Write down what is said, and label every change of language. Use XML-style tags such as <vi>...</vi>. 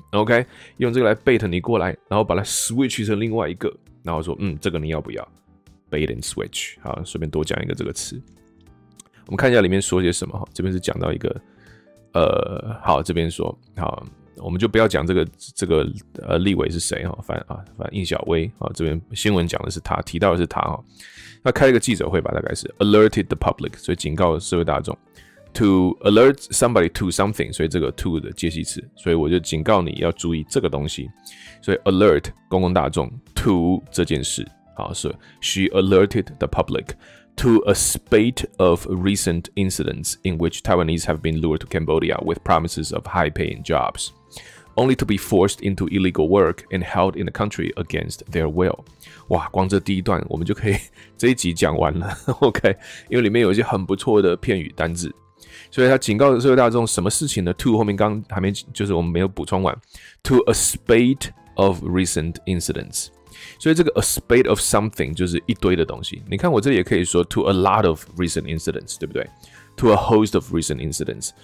<zh>OK， 用这个来 bait 你过来，然后把它 switch 成另外一个，然后说这个你要不要 ？</zh> <en>bait and switch。</en> <zh>好，顺便多讲一个这个词。我们看一下里面说些什么哈。这边是讲到一个，好，这边说好，我们就不要讲这个立委是谁哈，反正应小薇啊，这边新闻讲的是他，提到的是他哈。他开了一个记者会吧，大概是</zh> <en>alerted the public，</en> <zh>所以警告社会大众</zh> <en>to alert somebody to something， 所以这个 to</en> <zh>的介系词，所以我就警告你要注意这个东西，所以</zh> <en>alert 公共大众 to</en> <zh>这件事，好，是</zh> <en>she alerted the public to a spate of recent incidents in which Taiwanese have been lured to Cambodia with promises of high-paying jobs, only to be forced into illegal work and held in the country against their will.</en> <zh>哇，光这第一段我们就可以这一集讲完了 ，OK？因为里面有一些很不错的片语单字，所以他警告社会大众什么事情呢 ？To 后面刚还没就是我们没有补充完 ，</zh> <en>to a spate of recent incidents。</en> <zh>所以这个 a spate of something 就是一堆的东西。你看我这里也可以说</zh> <en>to a lot of recent incidents，</en> <zh>对不对 ？</zh> <en>To a host of recent incidents。</en>